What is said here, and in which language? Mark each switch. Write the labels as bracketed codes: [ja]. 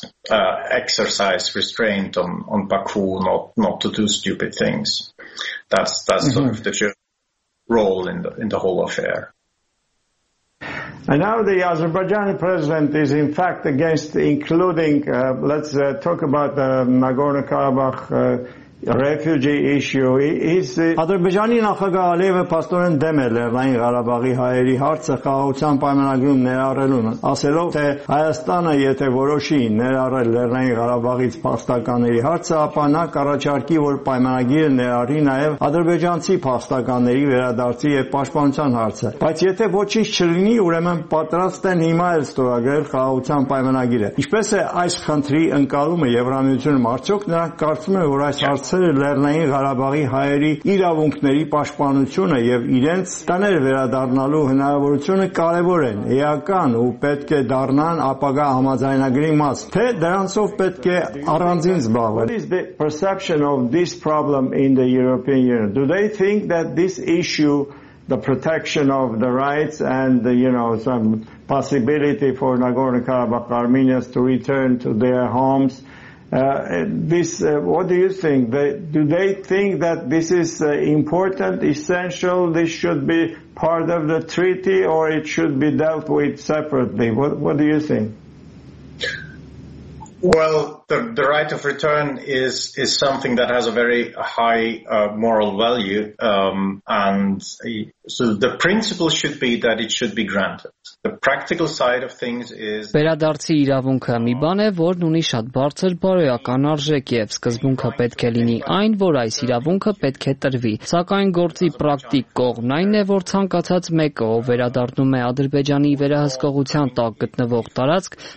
[en] Exercise restraint on Baku, not to do stupid things. That's sort of the role in the whole affair. And now the Azerbaijani president is in fact against including, talk about the Nagorno-Karabakh refugee issue. Is Azerbaijani [hy] նախագահ Ալիևը պաստորեն դեմ է Լեռնային Ղարաբաղի հայերի հարցը խաղաղության պայմանագրում ներառելուն, ասելով, թե Հայաստանը, եթե որոշի ներառել Լեռնային Ղարաբաղից փաստականների հարցը, ապա նա կառաջարկի, որ պայմանագիրը ներառի նաև ադրբեջանցի փաստականների վերադարձի եւ պաշտպանության հարցը։ Բայց եթե ոչինչ չլինի, ուրեմն պատրաստ են հիմա էլ ստորագրել խաղաղության պայմանագիրը։ Ինչպես է այս խնդրի ընկալումը Եվրամիությունում, արդյոք նրանք կարծում են, որ այս հարցերը Լեռնային Ղարաբաղի հայերի իրավունքների պաշտպանությունը եւ իրենց տներ վերադառնալու հնարավորությունը կարեւոր են, էական ու պետք է դառնան ապագա համաձայնագրի մաս, թե դրանցով պետք է առանձին զբաղվել։ [en] What is the perception of this problem in the European Union? Do they think that this issue, the protection of the rights and the, you know, some possibility for Nagorno-Karabakh Armenians to return to their homes, This, what do you think? Do they think that this is important, essential? This should be part of the treaty, or it should be dealt with separately? What do you think? Well, the right of return is something that has a very high moral value, and so the principle should be that it should be granted. The practical side of things is. [hy] Վերադարձի իրավունքը մի բան է, որն ունի շատ բարձր բարոյական արժեք, եւ սկզբունքը պետք է լինի այն, որ այս իրավունքը պետք է տրվի։ Սակայն գործի պրակտիկ կողմն այն է, որ ցանկացած մեկը, ով վերադառնում է Ադրբեջանի վերահսկողության տակ գտնվող տարածք,